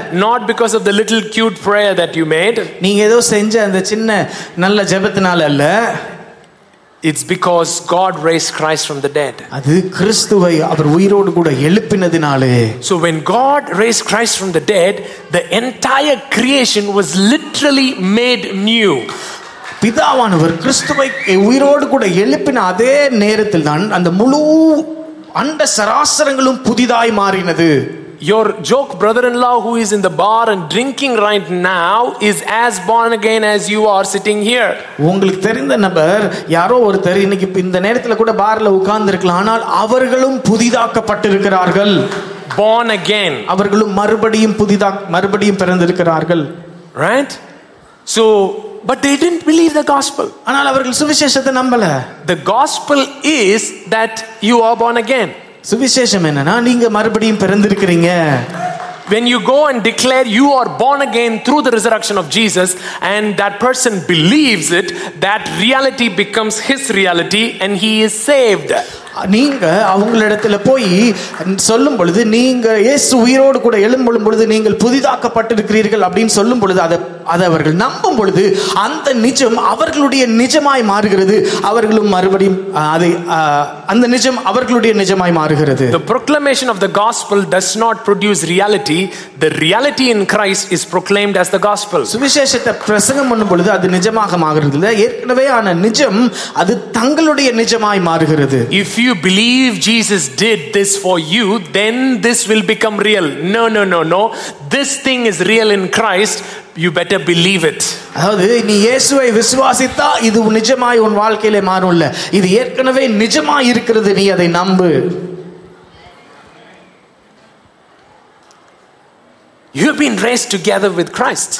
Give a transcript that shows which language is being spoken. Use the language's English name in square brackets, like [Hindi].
[English] Not because of the little cute prayer that you made. [Tamil] நீங்க ஏதோ செஞ்ச அந்த சின்ன நல்ல ஜெபத்தினால அல்ல. [English] It's because God raised Christ from the dead. [Tamil] அது கிறிஸ்துவை அவர் உயிரோடு கூட எழுப்பினதினாலே. [English] So when God raised Christ from the dead, the entire creation was literally made new. [Tamil] பிதாவானவர் கிறிஸ்துவை உயிரோடு கூட எழுப்பின அதே நேரத்தில் தான் அந்த முழு அந்த சராசரங்களும் புதிதாய் மாறினது. [English] Your joke brother-in-law who is in the bar and drinking right now is as born again as you are sitting here. [Tamil] உங்களுக்கு தெரிந்த நபர் யாரோ ஒருத்தர் இன்னைக்கு இந்த நேரத்துல கூட பார்ல உட்கார்ந்திருக்கலாம், ஆனால் அவர்களும் புதிதாக்கப்பட்டிருக்கிறார்கள். [English] Born again. [Tamil] அவர்களும் மறுபடியும் பிறந்திருக்கிறார்கள். [English] Right? So But they didn't believe the gospel. [Tamil] ஆனால் அவர்கள் சுவிசேஷத்தை நம்பல. [English] The gospel is that you are born again. [Tamil] சுவிசேஷம் என்னன்னா நீங்க மறுபடியும் பிறந்திருக்கிறீங்க. [English] When you go and declare you are born again through the resurrection of Jesus and that person believes it, that reality becomes his reality and he is saved. [Tamil] நீங்க அவங்களிடத்துல போய் சொல்லும் பொழுது நீங்க இயேசு உயிரோடு கூட எழும்பும் பொழுது நீங்கள் புதிதாக்கப்பட்டிருக்கிறீர்கள் அப்படின்னு சொல்லும் பொழுது அதை அவர்கள் நம்பும் பொழுது அந்த நிஜம் அவர்களுடைய நிஜமாய் மாறுகிறது. அவர்களும் மறுபடியும் அதை அந்த நிஜம் அவர்களுடைய நிஜமாய் மாறுகிறது. [English] The proclamation of the gospel does not produce reality. The reality in Christ is proclaimed as the gospel. [Tamil] சுவிசேஷத்தை பிரசங்கம் பண்ணும் பொழுது அது நிஜமாக மாறுகிறது. ஏற்கனவே ஆன நிஜம் அது தங்களுடைய நிஜமாய் மாறுகிறது. [English] If you believe Jesus did this for you, then this will become real. No. This thing is real in Christ. You better believe it. [Tamil] அதாவது நீ இயேசுவை விசுவாசித்தா இது நிஜமாய் உன் வாழ்க்கையிலே மாறும்ல. இது ஏற்கனவே நிஜமாய் இருக்கிறது, நீ அதை நம்பு. [English] You have been raised together with Christ.